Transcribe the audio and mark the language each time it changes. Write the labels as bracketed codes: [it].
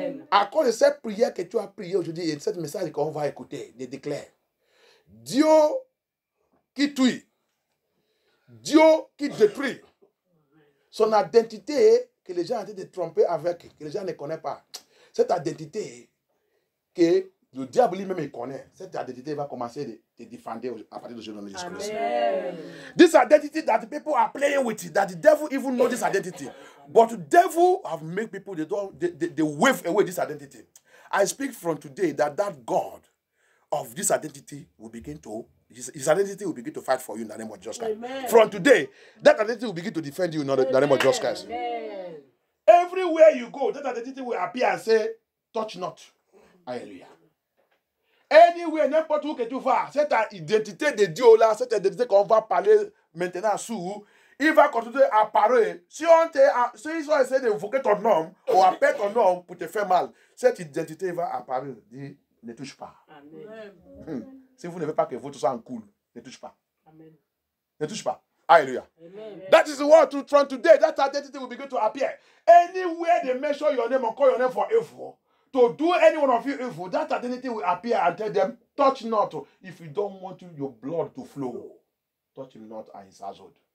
[fr] À cause de cette prière que tu as priée aujourd'hui et de cette message qu'on va écouter, je déclare Dieu qui tue. Dieu qui détruit son identité que les gens ont été trompés avec, que les gens ne connaissent pas. Cette identité que le diable lui-même il connaît, cette identité va commencer à te défendre à partir de ce nom de Jésus. [en] This identity that people are playing with, that the devil even knows this identity. But the devil have made people, they wave away this identity. I speak from today that God of this identity will begin to His identity will begin to fight for you in the name of Jesus Christ. Amen. From today, that identity will begin to defend you in the name of Jesus Christ. Amen. Everywhere you go, that identity will appear and say, touch not. Hallelujah. Anywhere, [fr] n'importe où que tu vas, cette identité de Dieu là, cette identité qu'on va parler maintenant sous, il va continuer à parler. Si ils ont essayé d'évoquer ton nom ou appeler ton nom pour te faire mal, cette identité va apparaître. Dis, ne touche pas. Amen. Si vous ne voulez pas que votre sang coule, ne touche pas. Amen. Ne touche pas. Alléluia. [en] That is what from today, that identity will begin to appear. Anywhere they mention your name or call your name for evil, to do any one of you evil, that identity will appear and tell them, touch not. If you don't want your blood to flow, touch him not and his household.